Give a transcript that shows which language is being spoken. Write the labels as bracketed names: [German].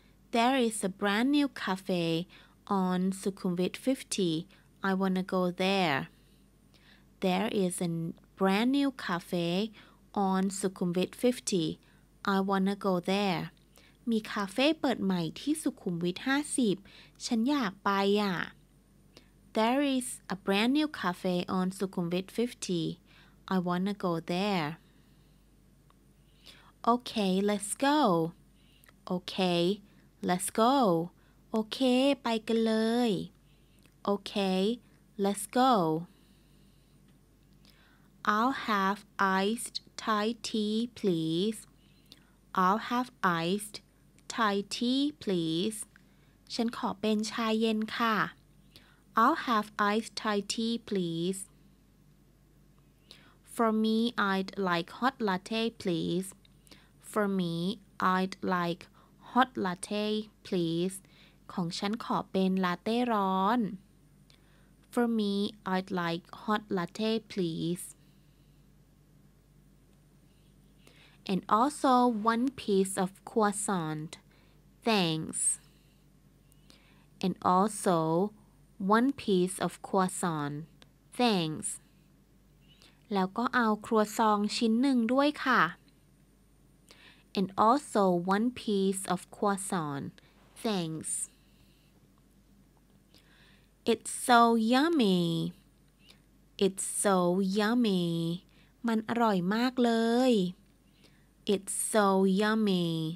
[English] There is a brand new cafe on Sukhumvit 50. I wanna go there. There is a brand new cafe on Sukhumvit 50. I wanna go there. [Thai] มีคาเฟ่เปิดใหม่ที่สุขุมวิท50ฉันอยากไปอ่ะ [English] There is a brand new cafe on Sukhum Vit 50. I wanna go there. Okay, let's go. Okay, let's go. [Thai] Okay, ไปกันเลย. [English] Okay, let's go. I'll have iced Thai tea, please. I'll have iced Thai tea, please. [Thai] ฉันขอเป็นชาเย็นค่ะ. [English] I'll have iced Thai tea, please. For me, I'd like hot latte, please. For me, I'd like hot latte, please. [Thai] ของฉันขอเป็นลาเต้ร้อน. [English] For me, I'd like hot latte, please. And also one piece of croissant. Thanks. And also one piece of croissant. Thanks. [Thai] แล้วก็เอาครัวซองชิ้นหนึ่งด้วยค่ะ. [English] And also one piece of croissant. Thanks. It's so yummy. It's so yummy. [Thai] มันอร่อยมากเลย [English] It's so yummy.